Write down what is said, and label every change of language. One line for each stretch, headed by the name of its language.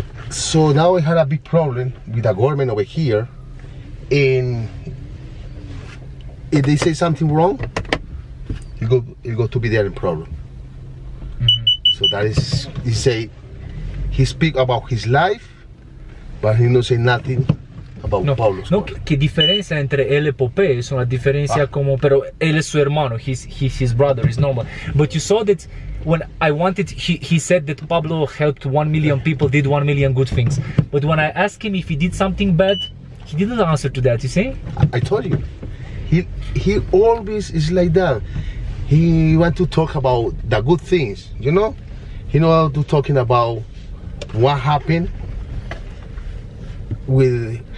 English: So now we had a big problem with the government over here, and if they say something wrong, you got to be there in problem. Mm-hmm. So that is, he speak about his life, but he no say nothing about no, Pablo.
Spanish: No, qué diferencia entre él y Pope, es una diferencia como, pero él es su hermano,
English: he's his brother, he's normal. But you saw that when I wanted, he said that Pablo helped 1 million people, did 1 million good things. But when I asked him if he did something bad, he didn't answer to that, you see? I told you. He always is like that. He want to talk about the good things, you know? He know how to talking about what happened with...